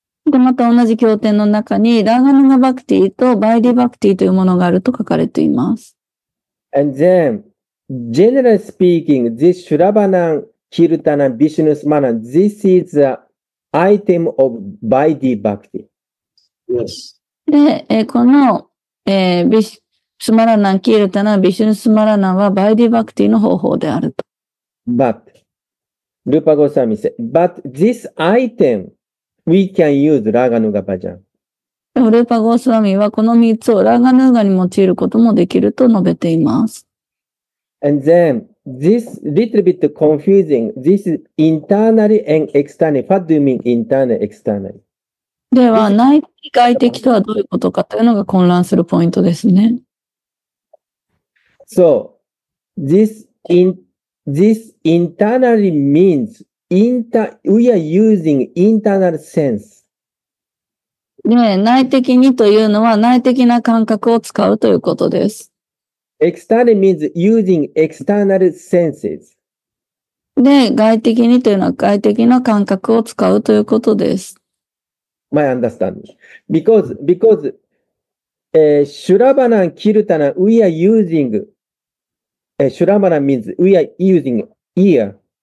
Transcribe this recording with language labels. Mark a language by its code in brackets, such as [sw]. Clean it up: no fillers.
[ja] で、また同じ経典の中に、ラガヌガバクティとバイディバクティというものがあると書かれています。 [en] And then, generally speaking, this Shravanam, Kirtanam, Vishnusmaranam, this is a item of Vaidhi Bhakti. Yes. [ja] で、この、ビシュスマラナン、キールタナ、ビシュスマラナンは、Vaidhi Bhakti の方法であると。 [en] But, Rupa Goswami said, but this item, we can use Raganuga Bhajan. [ja] ルーパゴスワミはこの3つをラガヌーガに用いることもできると述べています。 [en] And then, this little bit confusing. This is internally and externally. What do you mean internally, externally? [ja] では、内的、外的とはどういうことかというのが混乱するポイントですね。 [en] So, this internally means, we are using internal sense. [ja] ね、内的にというのは内的な感覚を使うということです。 [en] External means using external senses. [ja] で、外的にというのは外的な感覚を使うということです。 [en] My understanding. Because, シュラバナン、キルタナン、we are using, シュラバナン means we are using ear.